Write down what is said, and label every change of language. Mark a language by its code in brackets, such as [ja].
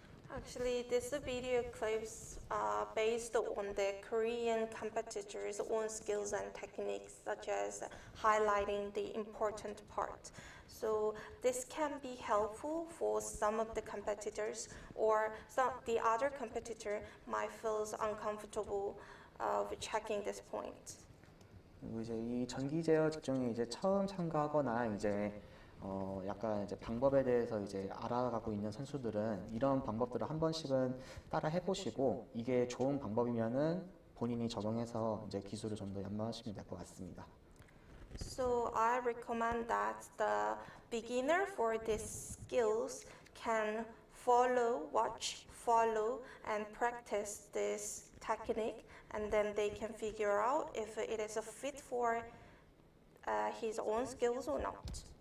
[en] Actually, this video clips are based on the Korean competitors' own skills and techniques, such as highlighting the important part. So this can be helpful for some of the competitors, or some, the other competitor might feel uncomfortable. Of checking this point. [ko] 이제 이 전기 제어 직종이 이제 처음 참가하거나 이제 약간 이제 방법에 대해서 이제 알아가고 있는 선수들은 이런 방법들을 한 번씩은 따라 해보시고 이게 좋은 방법이면은 본인이 적용해서 이제 기술을 좀 더 연마하시면 될 것 같습니다. [en] So I recommend that the beginner for these skills can follow, watch, follow, and practice this technique. And then they can figure out if it is a fit for his own skills or not.